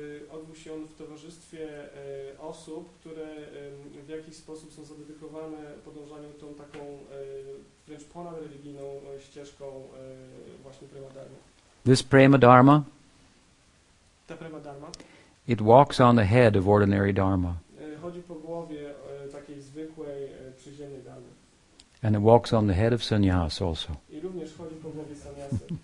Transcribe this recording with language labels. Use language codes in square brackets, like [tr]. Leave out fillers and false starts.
[pl] odbył się on w towarzystwie osób, które w jakiś sposób są zadedykowane podążaniu tą taką wręcz ponadreligijną ścieżką właśnie prema dharma. [en] This prema dharma, [pl] ta prema dharma, [en] it walks on the head of ordinary dharma. [pl] Chodzi po głowie takiej zwykłej przyziemnej dharmy. [en] And it walks on the head of sannyas also. [pl] I również chodzi po głowie sannyasy.